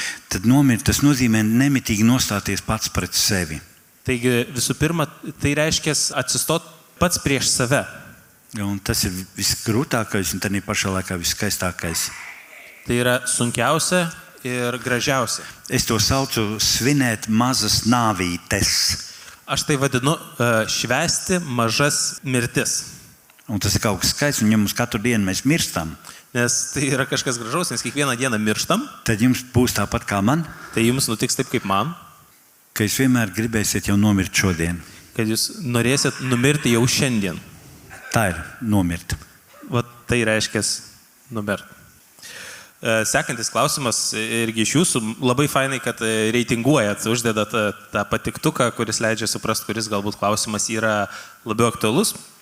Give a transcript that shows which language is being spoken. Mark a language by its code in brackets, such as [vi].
[lv] Tad numirt, tas nozīmē nemitīgi nostāties pats pret sevi. [lt] Taigi visų pirma, tai reiškia atsistot pats prieš save. [lv] Un tas ir visgrūtākais, un tad ir pašā laikā viskaistākais. [lt] Tai yra sunkiausia ir gražiausia. [lv] Es to saucu svinēt mazas nāvītes. [lt] Aš tai vadinu švesti mažas mirtis. [lv] Un tas ir kaut kas skaists, un ja mums katru dienu mēs mirstam. [lt] Nes tai yra kažkas gražaus, nes kiekvieną dieną mirštam. [lv] Tad jums būs tāpat kā man. [lt] Tai jums nutiks taip kaip man. [lv] Kad jūs vienmēr gribēsiet jau numirt šodien. [lt] Kad jūs norėsit numirti jau šiandien. [lv] Tā ir numirt. [lt] Vat tai reiškia numirt. Sekantis klausimas irgi iš jūsų. Labai fainai, kad reitinguojat, uždedat tą patiktuką, kuris leidžia suprast, kuris galbūt klausimas yra labiau aktualus.